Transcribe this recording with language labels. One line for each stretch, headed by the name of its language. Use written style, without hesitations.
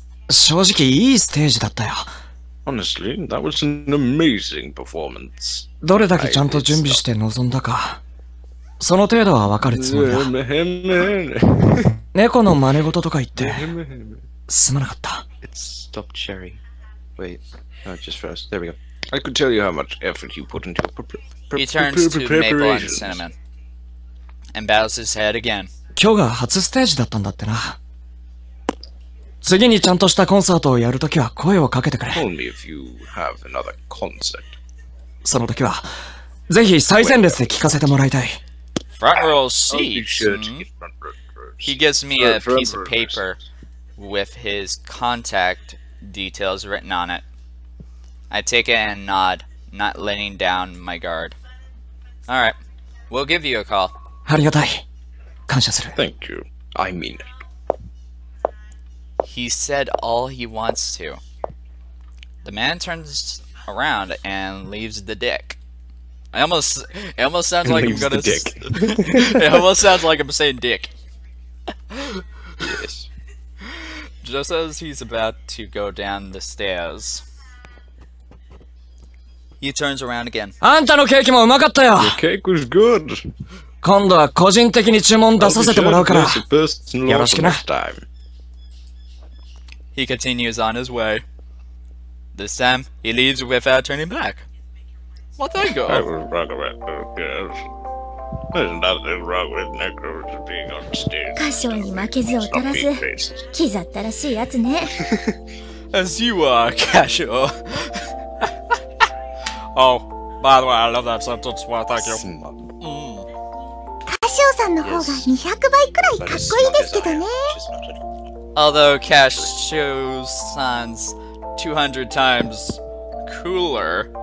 Japanese: 正直いいステージだったよ。
English: Honestly, that was an amazing performance.
Japanese: どれだけちゃんと準備して臨んだか。その程度はわかるつもりだ。猫の真似事とか言って、すまなかった。
English: It's stop cherry. Wait, no, just first. There we go. I could tell you how much effort you put into preparations. He turns to Maple and Cinnamon and bows his head again.
Japanese: 今日が初ステージだったんだってな。次にちゃんとしたコンサートをやるときは声をかけてくれ。
English: Call me if you have another concert.
Japanese: そのときはぜひ最前列で聞かせてもらいたい。
English: Front row seats. He gives me a piece of paper with his contact details written on it. I take it and nod, not letting down my guard. All right, we'll give you a call.
Japanese: ありがたい。感謝する。
English: Thank you. I mean it. He said all he wants to. The man turns around and leaves the dick. It almost sounds like I'm saying dick. Yes. Just as he's about to go down the stairs. He turns around again.
Japanese: あんたのケーキもうまかったよ。
English: The cake was good.
Japanese: 今度は個人的に注文出させてもらうから。よろしくな。
English: He continues on his way. This time, he leaves without turning back. Well, there you go. I was wrong about Nekos. There's nothing wrong with Nekos being on stage.
Japanese: 歌唱に負けず劣らず、キザったらしいやつね。
English: As you are, Casio. Oh, by the way, I love that sentence. Why, thank you.
Japanese: Casio さんの方が200倍くらいかっこいいですけどね。
English: Although Casio sounds 200 times cooler,